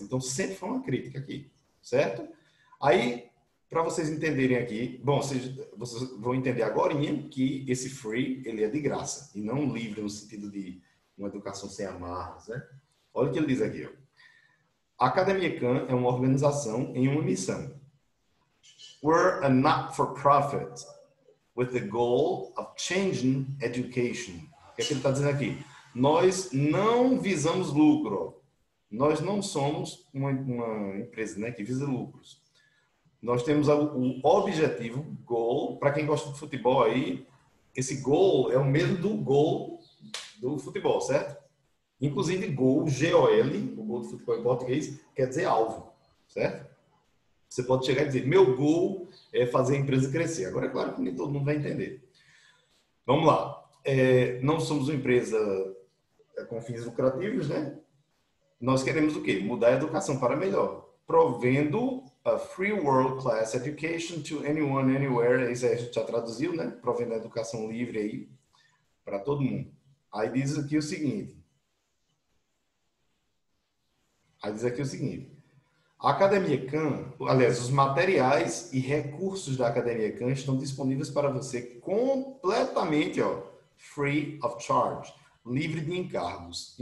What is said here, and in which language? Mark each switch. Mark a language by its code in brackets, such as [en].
[pt] Então sempre foi uma crítica aqui, certo? Aí. Para vocês entenderem aqui, bom, vocês vão entender agorinha que esse free ele é de graça e não livre no sentido de uma educação sem amarras, né? Olha o que ele diz aqui, ó. A Academia Khan é uma organização em uma missão. [en] We're a not-for-profit with the goal of changing education. [pt] O que é que ele está dizendo aqui? Nós não visamos lucro. Nós não somos uma empresa, né, que visa lucros. Nós temos o objetivo, goal. Para quem gosta de futebol aí, esse goal é o mesmo do goal do futebol, certo? Inclusive, gol, G-O-L, o gol do futebol em português, quer dizer alvo, certo? Você pode chegar e dizer, meu gol é fazer a empresa crescer. Agora, é claro que nem todo mundo vai entender. Vamos lá. É, não somos uma empresa com fins lucrativos, né? Nós queremos o quê? Mudar a educação para melhor. Provendo a [en] free world class education to anyone, anywhere. [pt] Isso aí a gente já traduziu, né? Provendo a educação livre aí para todo mundo. Aí diz aqui o seguinte. Aí diz aqui o seguinte, a Academia Khan, aliás, os materiais e recursos da Academia Khan estão disponíveis para você completamente, ó, [en] free of charge, [pt] livre de encargos.